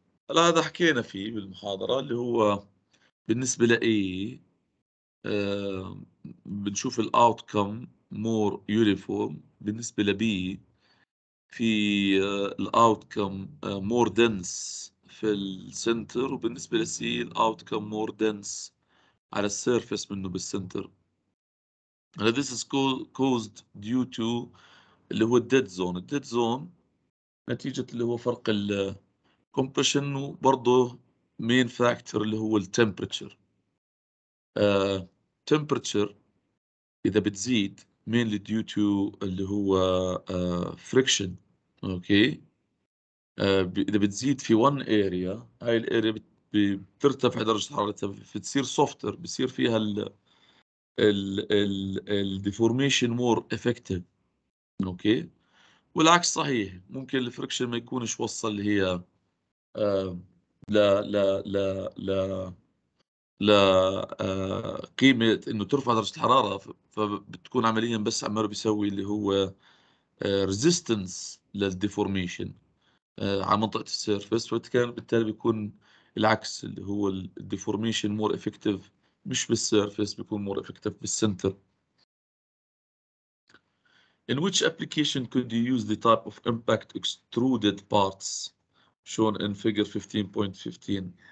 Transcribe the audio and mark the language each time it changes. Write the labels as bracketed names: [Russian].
[Arabic] هلا هذا حكينا فيه بالمحاضرة اللي هو بالنسبة لأي بنشوف الـ [English] outcome more uniform, [Arabic] بالنسبة لبي في الـ outcome more dense في السنتر, وبالنسبة لسي الـ outcome more dense على السيرفس منه بالسنتر. [English] And this is caused due to [Arabic] اللي هو [English] dead zone. [Arabic] Dead zone نتيجة اللي هو فرق الـ compression, وبرضو main factor اللي هو الـ temperature. [English] Temperature [Arabic] إذا بتزيد [English] mainly due to اللي هو friction, okay. [Arabic] إذا بتزيد في one area, هاي الأريا بترتفع درجة حرارتها, بتصير softer, بصير فيها ال [English] deformation more effective, [Arabic] okay. والعكس صحيح, ممكن الفريكشن ما يكونش وصل اللي هي لا لا لا لا لا قيمة إنه ترفع درجة الحرارة, فبتكون عمليا بس عماله بيسوي اللي هو resistance للديفورميشن على منطقة السيرفس, وكان بالتالي بيكون العكس اللي هو الديفورميشن مور افكتيف مش بالسيرفس, بيكون مور افكتيف بالسنتر. [English] In which application could you use the type of impact extruded parts shown in figure 15.15.